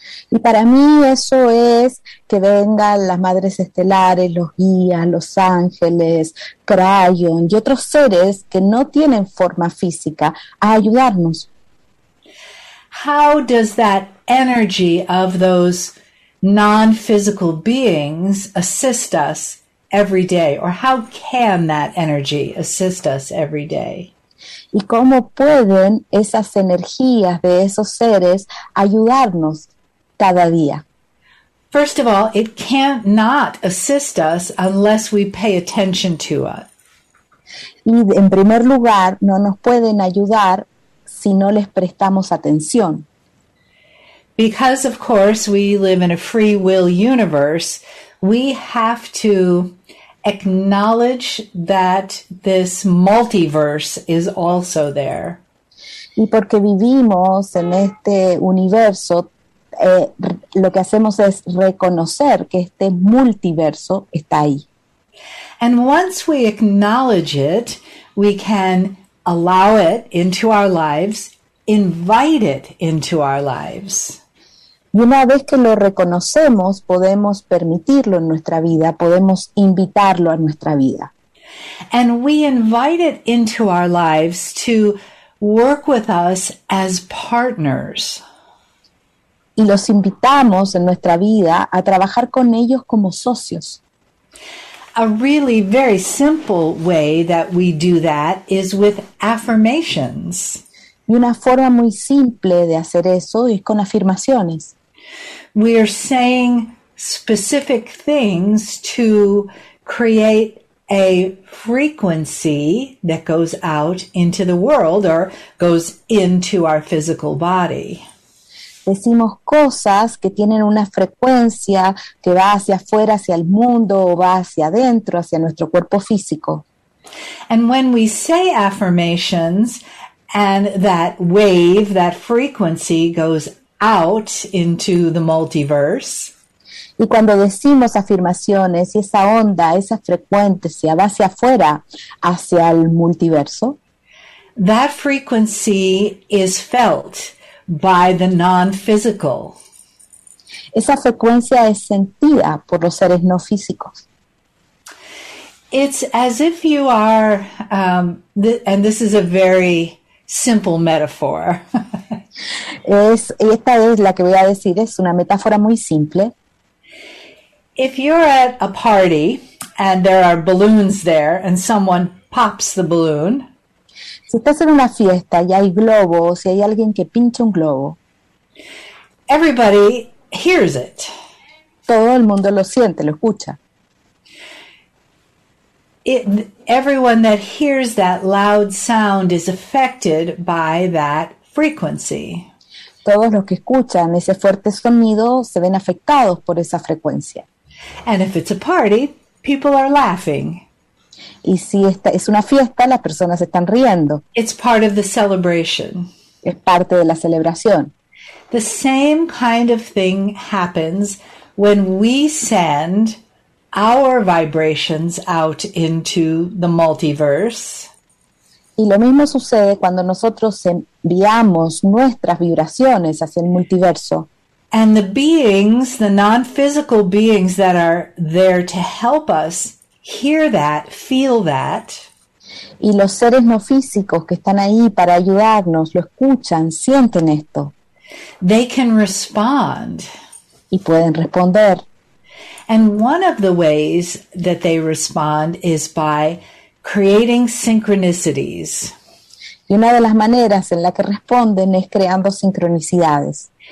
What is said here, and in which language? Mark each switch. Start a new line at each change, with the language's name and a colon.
Spanish: Y para mí eso es que vengan las madres estelares, los guías, los ángeles, Kryon y otros seres que no tienen forma física a ayudarnos.
English: How does that energy of those non-physical beings assist us every day? Or how can that energy assist us every day?
Spanish: ¿Y cómo pueden esas energías de esos seres ayudarnos cada día?
English: First of all, it can't not assist us unless we pay attention to it.
Spanish: Y en primer lugar, no nos pueden ayudar si no les prestamos atención.
English: Because, of course, we live in a free will universe, we have to acknowledge that this multiverse is also there.
Spanish: Y porque vivimos en este universo, lo que hacemos es reconocer que este multiverso está ahí.
English: And once we acknowledge it, we can allow it into our lives, invite it into our lives.
Spanish: Y una vez que lo reconocemos, podemos permitirlo en nuestra vida, podemos invitarlo a nuestra vida.
English: And we invite it into our lives to work with us as partners.
Spanish: Y los invitamos en nuestra vida a trabajar con ellos como socios.
English: A really very simple way that we do that is with affirmations.
Spanish: Y una forma muy simple de hacer eso es con afirmaciones.
English: We are saying specific things to create a frequency that goes out into the world or goes into our physical body.
Spanish: Decimos cosas que tienen una frecuencia que va hacia afuera, hacia el mundo, o va hacia adentro, hacia nuestro cuerpo físico.
English: And when we say affirmations and that wave, that frequency goes out into the multiverse.
Spanish: Y cuando decimos afirmaciones y esa onda, esa frecuencia va hacia afuera, hacia el multiverso,
English: that frequency is felt by the non-physical.
Spanish: Esa frecuencia es sentida por los seres no físicos.
English: It's as if you are, and this is a very simple metaphor.
Spanish: Esta es una metáfora muy simple.
English: If you're at a party and there are balloons there and someone pops the balloon.
Spanish: Si estás en una fiesta y hay globos y hay alguien que pincha un globo.
English: Everybody hears it.
Spanish: Todo el mundo lo siente, lo escucha.
English: Everyone that hears that loud sound is affected by that frequency.
Spanish: Todos los que escuchan ese fuerte sonido se ven afectados por esa frecuencia.
English: And if it's a party, people are laughing.
Spanish: Y si esta es una fiesta, las personas están riendo.
English: It's part of the celebration.
Spanish: Es parte de la celebración.
English: The same kind of thing happens when we send our vibrations out into the multiverse.
Spanish: Y lo mismo sucede cuando nosotros enviamos nuestras vibraciones hacia el multiverso.
English: And the beings, the non-physical beings that are there to help us hear that, feel that.
Spanish: Y los seres no físicos que están ahí para ayudarnos, lo escuchan, sienten esto.
English: They can respond.
Spanish: Y pueden responder.
English: And one of the ways that they respond is by creating synchronicities.
Spanish: Y una de las maneras en la que responden es creando sincronicidades.